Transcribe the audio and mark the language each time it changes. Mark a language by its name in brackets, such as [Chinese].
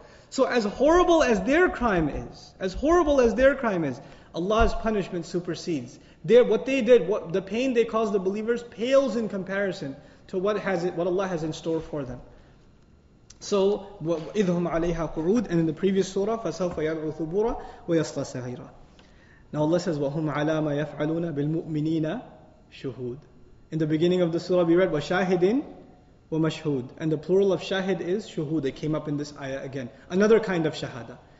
[English] So as horrible as their crime is, Allah's punishment supersedes. The pain they cause the believers pales in comparison to what Allah has in store for them. [Arabic] So, إِذْهُمْ عَلَيْهَا قُعُودٌ. [English] And in the previous surah, [Arabic] فَسَوْفَ يَدْعُو ثُبُورًا وَيَصْلَى سَعِيرًا. [English] Now Allah says, [Arabic] وَهُمْ عَلَى مَا يَفْعَلُونَ بِالْمُؤْمِنِينَ شُهُودٌ. [English] In the beginning of the surah we read, [Arabic] وَشَاهِدٍ وَمَشْهُودٌ. [English] And the plural of shahid is shuhud. It came up in this ayah again. Another kind of shahada.